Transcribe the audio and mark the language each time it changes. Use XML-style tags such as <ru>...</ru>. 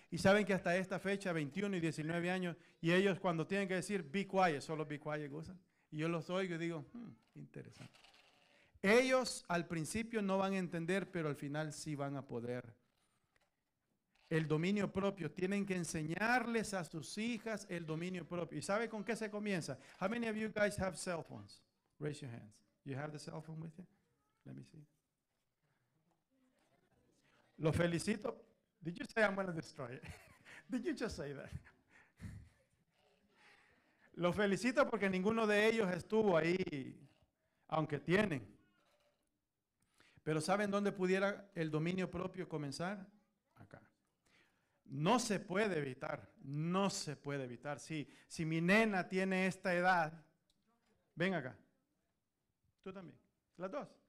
<es>Y saben que hasta esta fecha, 21 y 19 años, y ellos cuando tienen que decir be quiet, solo be quiet gozan. Y yo los oigo y digo, interesante. Ellos al principio no van a entender, pero al final sí van a poder. El dominio propio, tienen que enseñarles a sus hijas el dominio propio. ¿Y sabe con qué se comienza?</es> <en>How many of you guys have cell phones? Raise your hands. You have the cell phone with you? Let me see.</en> <es>Lo felicito.</es> <en>Did you say I'm going to destroy it? Did you just say that?</en> <es>Lo felicito porque ninguno de ellos estuvo ahí, aunque tienen. Pero ¿saben dónde pudiera el dominio propio comenzar? Acá. No se puede evitar, no se puede evitar. Si mi nena tiene esta edad, ven acá. Tú también, las dos.</es>